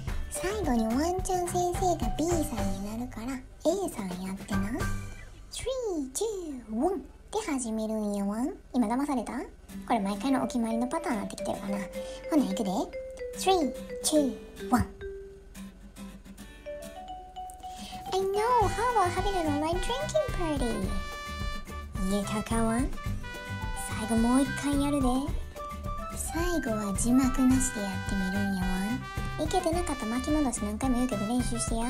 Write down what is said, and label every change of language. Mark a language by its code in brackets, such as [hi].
[ja] 最後にワンちゃん先生が B さんになるから A さんやってな。 3,2,1 で始めるんやわ。今騙された？これ毎回のお決まりのパターンになってきてるかな。ほな行くで。 [en] 3,2,1 I know how about having an online drinking party? [ja] 言えたかわ。最後もう一回やるで。最後は字幕なしでやってみるんやわ。いけてなかった巻き戻し何回も言うけど練習してや。